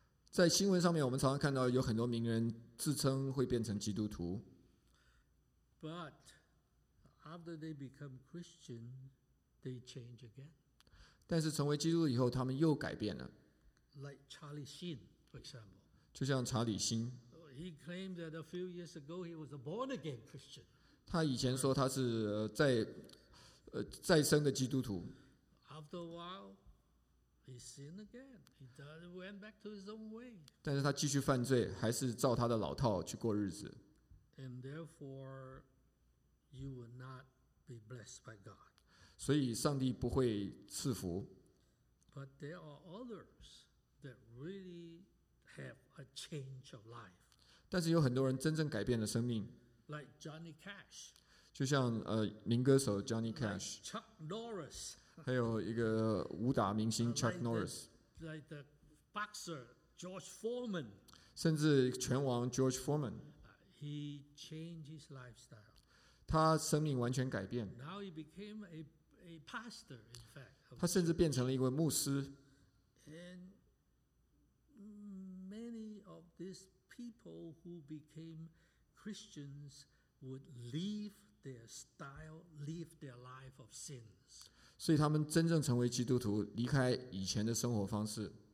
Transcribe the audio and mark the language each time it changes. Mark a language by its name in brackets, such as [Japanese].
[Chinese] 在新闻上面，我们常常看到有很多名人自称会变成基督徒。 [English] But,After they become Christian, they change again. [Chinese] 但是成为基督以后，他们又改变了。 [English] Like Charlie Sheen, for example. [Chinese] 就像查理辛。 [English] He claimed that a few years ago he was a born again Christian. [Chinese] 他以前说他是再生的基督徒。 [English] After a while, he sinned again. He went back to his own way. [Chinese] 但是他继续犯罪，还是照他的老套去过日子。 [English] And therefore. You will not be blessed by God. [Chinese] 所以上帝不会赐福。 [English] But there are others that really have a change of life. [Chinese] 但是有很多人真正改变了生命。 [English] Like Johnny Cash. [Chinese] 就像民歌手 Johnny Cash. [English] Like Chuck Norris. [Chinese] 还有一个武打明星 Chuck Norris. [English] Like the boxer George Foreman. [Chinese] 甚至拳王 George Foreman. [English] He changed his lifestyle. [Chinese] 他生命完全改变。 [English] Now he became a pastor, in fact. [Chinese] 他甚至变成了一位牧师。 [English] And many of these people who became Christians would leave their style, leave their life of sins. [Chinese] 所以他们真正成为基督徒，离开以前的生活方式。